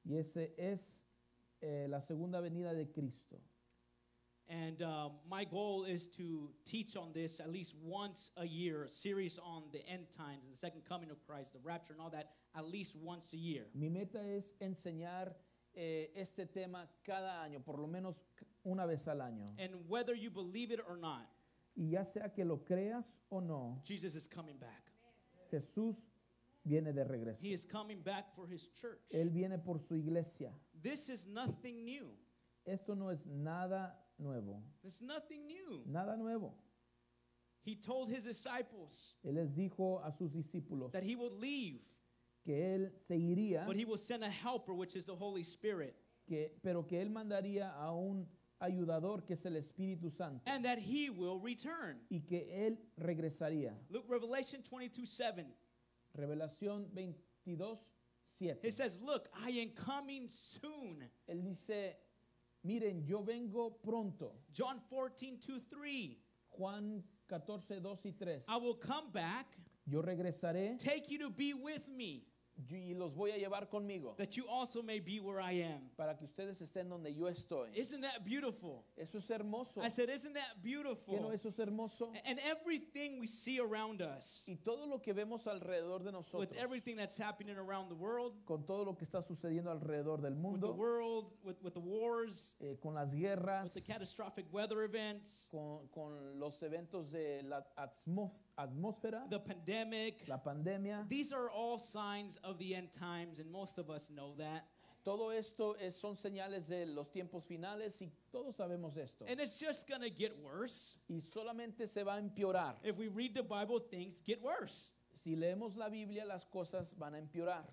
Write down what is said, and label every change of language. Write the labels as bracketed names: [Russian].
[Spanish] Y ese es la segunda venida de Cristo. [English] And my goal is to teach on this at least once a year, a series on the end times, the second coming of Christ, the rapture, and all that, at least once a year. [Spanish] Mi meta es enseñar este tema cada año, por lo menos una vez al año. [English] And whether you believe it or not, [Spanish] y ya sea que lo creas o no, [English] Jesus is coming back. [Spanish] Jesús viene de regreso. [English] He is coming back for his church. [Spanish] Él viene por su iglesia. [English] This is nothing new. [Spanish] Esto no es nada nuevo. [English] There's nothing new. [Spanish] Nada nuevo. [English] He told his disciples. [Spanish] Él les dijo a sus discípulos. [English] That he would leave. [Spanish] Que él se iría. [English] But he will send a helper, which is the Holy Spirit. [Spanish] Que, pero que él mandaría a un ayudador, que es el Espíritu Santo. [English] And that he will return. [Spanish] Y que él regresaría. [English] Look, Revelation 22:7. [Spanish] Revelación 22:7. [English] He says, look, I am coming soon. [Spanish] Él dice, miren, yo vengo pronto. [English] John 14:2-3. [Spanish] Juan 14:2-3. [English] I will come back. [Spanish] Yo regresaré. [English] Take you to be with me. [Spanish] Y los voy a llevar conmigo. [English] That you also may be where I am. [Spanish] Para que ustedes estén donde yo estoy. [English] Isn't that beautiful? [Spanish] Eso es hermoso. [English] I said, isn't that beautiful? [Spanish] ¿Qué no, eso es hermoso? [English] And everything we see around us. [Spanish] Y todo lo que vemos alrededor de nosotros. [English] With everything that's happening around the world. [Spanish] Con todo lo que está sucediendo alrededor del mundo. [English] With the world, with the wars. [Spanish] Con las guerras. [English] With the catastrophic weather events. [Spanish] Con los eventos de la atmósfera. [English] The pandemic. [Spanish] La pandemia. [English] These are all signs of the end times, and most of us know that. [Spanish] Todo esto es, son señales de los tiempos finales, y todos sabemos esto. [English] And it's just going to get worse. [Spanish] Y solamente se va a empeorar. [English] If we read the Bible, things get worse. [Spanish] Si leemos la Biblia, las cosas van a empeorar.